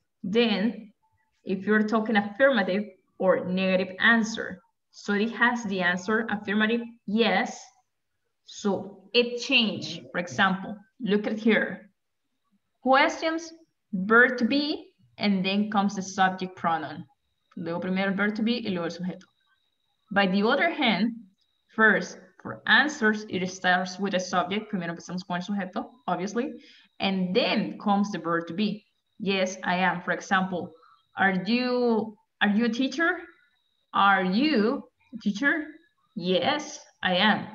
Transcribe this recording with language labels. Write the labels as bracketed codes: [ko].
[en] Then, if you're talking affirmative or negative answer, so it has the answer, affirmative, yes. So it changed, for example, look at here. Questions, verb to be, and then comes the subject pronoun. [es] Luego primero [en] verb to be [es] y luego el sujeto. [en] By the other hand, first, for answers, it starts with a subject, [es] primero empezamos con el sujeto, [en] obviously, and then comes the verb to be. Yes, I am. For example, are you a teacher? Are you a teacher? Yes, I am.